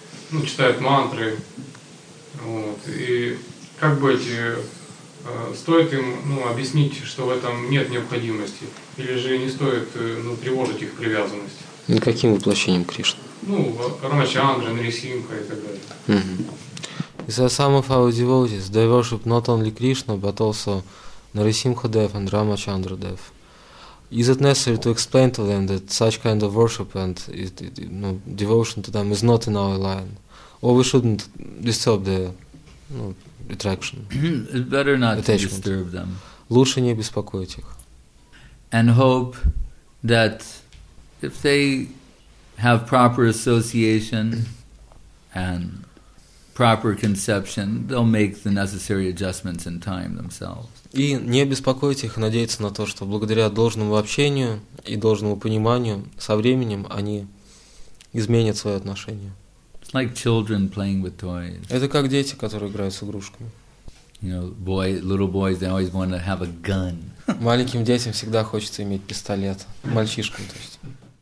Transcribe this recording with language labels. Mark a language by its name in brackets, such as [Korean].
[Russian] Ну, читают мантры. Вот, и как бы эти... Стоит им, объяснить, что в этом нет необходимости? Или же не стоит, тревожить их привязанность? И каким воплощением Кришны? Рамачандра, Нарисимха и так далее. [English] Is there some of our devotees, they worship not only Krishna, but also Narasimha Dev and Ramachandra Dev. Is it necessary to explain to them that such kind of worship and devotion to them is not in our line? Or we shouldn't disturb the... attraction. It's better not attachment. To disturb them. [Russian] Лучше не беспокоить их. [English] And hope that if they have proper association and proper conception, they'll make the necessary adjustments in time themselves. [Russian] И не беспокоить их, надеяться на то, что благодаря должному общению и должному пониманию со временем они изменят свои отношения. [English] Like children playing with toys. [Russian] Это как дети, которые играют с игрушками. [English] Little boys, they always want to have a gun. [Russian] Маленьким детям всегда хочется иметь пистолет. Мальчишкам, то есть.